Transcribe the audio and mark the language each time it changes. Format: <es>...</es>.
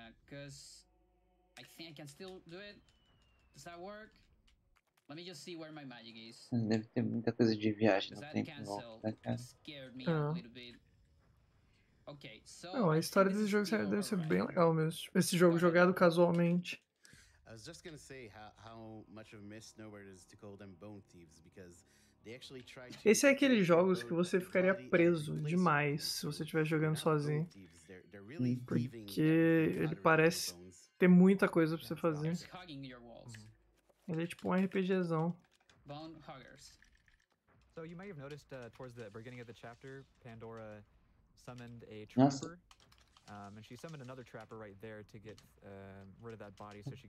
<en>Cause I think I can still do it. Does that work? Let me just see where my magic is.</en> <pt>Deve ter muita coisa de viagem no tempo. Não, a história desse jogo deve ser bem legal mesmo. Esse jogo jogado casualmente.</pt> <en>I was just gonna say how much of a misnomer is to call them bone thieves, because they actually tried to.</en> <pt>Esse é aqueles jogos que você ficaria preso demais se você estivesse jogando sozinho. Porque ele parece ter muita coisa pra você fazer. Ele é tipo um RPGzão.</pt> <en>Bone huggers. So you may have noticed towards the beginning of the chapter, Pandora summoned a trapper. And she summoned another trapper right there to get rid of that body so she</en>